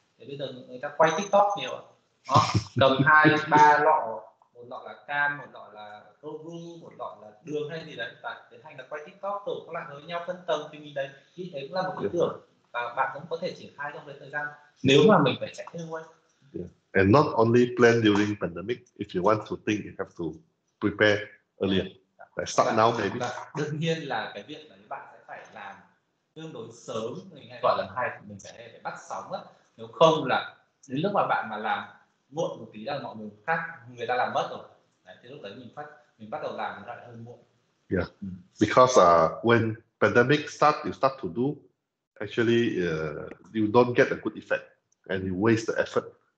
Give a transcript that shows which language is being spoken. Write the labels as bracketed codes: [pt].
[vi] Thế bây giờ người ta quay TikTok nhiều đó, cầm 2-3 lọ, một lọ là cam, một lọ là cold brew, một lọ là đường hay gì đấy và tiến hành là quay TikTok tổ các loại với nhau phân tầng thì mình đấy nghĩ thấy cũng là một ý tưởng và bạn cũng có thể triển khai trong cái thời gian nếu mà mình phải chạy theo quay. [en] And not only plan during pandemic, if you want to think, you have to prepare earlier. Like start now, maybe. [vi] Đương nhiên là cái việc là bạn sẽ phải làm tương đối sớm, mình hay gọi là hai, mình sẽ phải bắt sóng á. Nếu không là đến lúc mà bạn mà làm muộn một tí là mọi người khác, người ta làm mất rồi. Đấy, thì lúc đấy mình bắt đầu làm lại hơi muộn. [en] Yeah, because when pandemic start, you start to do, actually you don't get a good effect and you waste the effort.